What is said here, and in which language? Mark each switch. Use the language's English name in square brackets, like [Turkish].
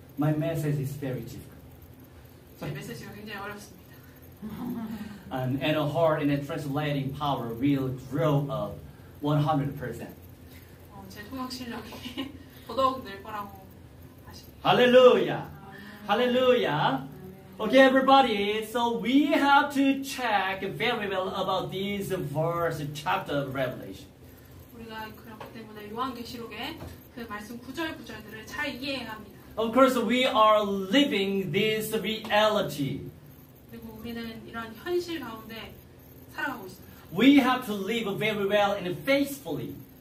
[English] My message is very difficult. [Korean] 제 메시지가 굉장히 어렵습니다. [English] and a heart and a translating power will grow up 100%. [Korean] 제 통역 실력이 더더욱 늘 거라고 아십니다. [English] Hallelujah. Hallelujah. Okay, everybody, so we have to check very well about this verse, chapter of Revelation. [Korean] 우리가 그렇기 때문에 요한계시록의 그 말씀 구절구절들을 잘 이해해야 합니다. [English] Of course, we are living this reality. [Korean] 그리고 우리는 이런 현실 가운데 살아가고 있습니다. [English] We have to live very well and faithfully.